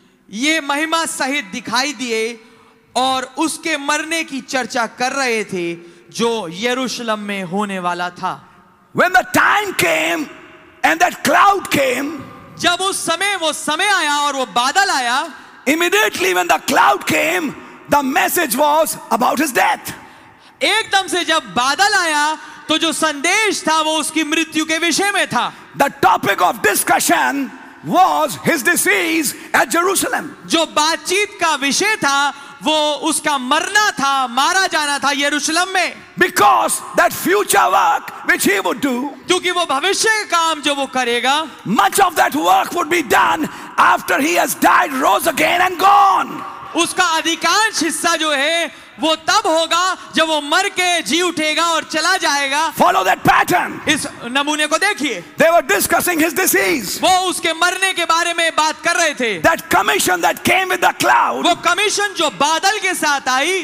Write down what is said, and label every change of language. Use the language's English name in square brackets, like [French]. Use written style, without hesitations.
[Hindi] ये महिमा सहित दिखाई दिए और उसके मरने की चर्चा कर रहे थे जो यरूशलम में होने वाला था. [English] When the time came and that cloud came, [Hindi] जब उस समय वो समय आया और वो बादल आया. [English] Immediately when the cloud came, the message was about his death. [Hindi] एकदम से जब बादल आया तो जो संदेश था वो उसकी मृत्यु के विषय में था. [English] The topic of discussion. Was his disease at Jerusalem? [Hindi] जो बातचीत का विषय था वो उसका मरना था मारा जाना था यरूशलम में [English] because that future work which he would do [Hindi] क्योंकि वो भविष्य का काम जो वो करेगा [English] much of that work would be done after he has died rose again and gone [Hindi] उसका अधिकांश हिस्सा जो है वो तब होगा जब वो मर के जी उठेगा और चला जाएगा [English] follow that pattern [Hindi] इस नमूने को देखिए [English] they were discussing his disease [Hindi] वो उसके मरने के बारे में बात कर रहे थे [English] that commission that came with the cloud [Hindi] वो कमीशन जो बादल के साथ आई